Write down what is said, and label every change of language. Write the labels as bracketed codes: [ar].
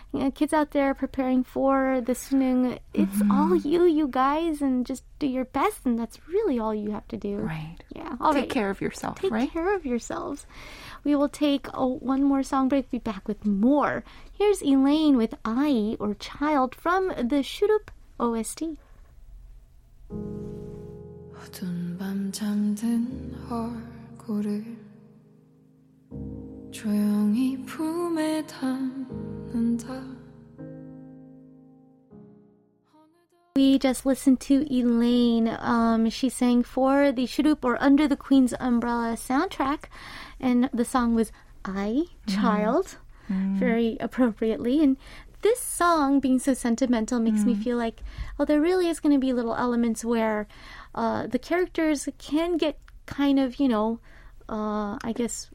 [en] You know, kids out there preparing for the Sunung, it's all you guys, and just do your best. And that's really all you have to do. Right. Yeah. Take care of yourselves. We will take one more song break. Be back with more. Here's Elaine with I, or Child, from the Shurup OST. [ko] 어두운 밤 잠든 얼굴을 조용히 품에 담는다. [en] We just listened to Elaine. She sang for the Shurup, or Under the Queen's Umbrella soundtrack. And the song was I, Child, very appropriately. And this song, being so sentimental, makes me feel like, oh, there really is going to be little elements where the characters can get kind of, you know, I guess...